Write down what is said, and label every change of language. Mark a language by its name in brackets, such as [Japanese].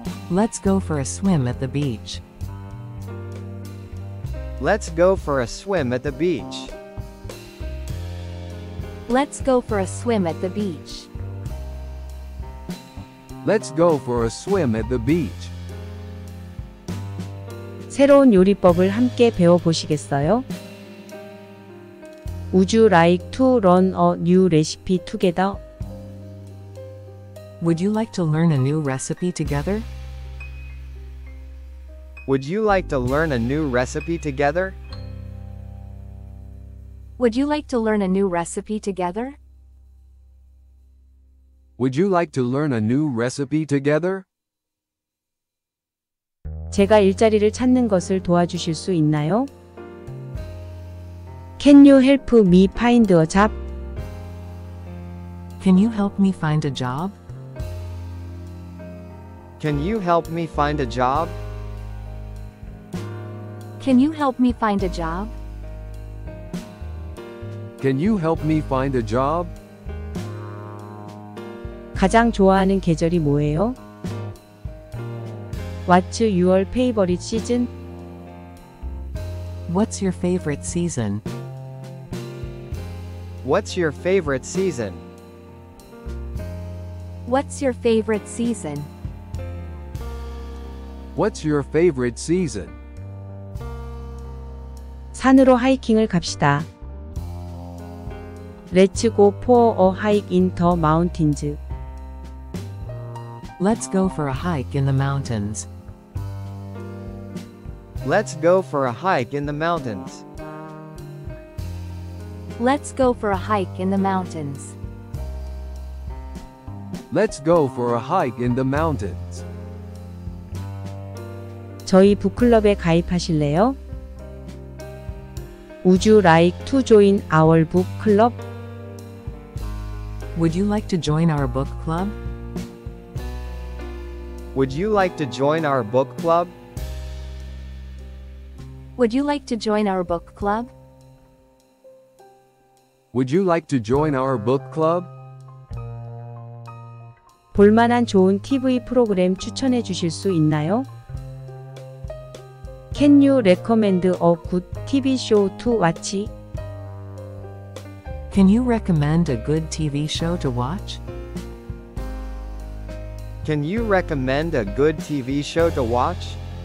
[English] Let's go for a swim at the beach. Let's go for a swim at the beach. Let's go for a swim at the beach. Let's go for a swim at the beach. [Korean] 새로운 요리법을 함께 배워보시겠어요? [English] Would you like to learn a new recipe together? Would you like to learn a new recipe together? Would you like to learn a new recipe together? Would you like to learn a new recipe together? Would you like to learn a new recipe together? [Korean] 제가 일자리를 찾는 것을 도와주실 수 있나요? [English] Can you help me find a job? Can you help me find a job? Can you help me find a job? Can you help me find a job? Can you help me find a job? [Korean] 가장 좋아하는 계절이 뭐예요? [English] What's your favorite season? What's your favorite season? What's your favorite season? What's your favorite season? What's your favorite season? [Korean] 산으로 하이킹을 갑시다. [English] Let's go for a hike in the mountains. Let's go for a hike in the mountains. Let's go for a hike in the mountains. Let's go for a hike in the mountains. Let's go for a hike in the mountains. [Korean] 저희 북클럽에 가입하실래요? [English] Would you like to join our book club? Would you like to join our book club? Would you like to join our book club? Would you like to join our book club? Would you like to join our book club? [Korean] 볼만한 좋은 TV 프로그램 추천해 주실 수 있나요? [English] Can you recommend a good TV show to watch? Can you recommend a good TV show to watch? Can you recommend a good TV show to watch?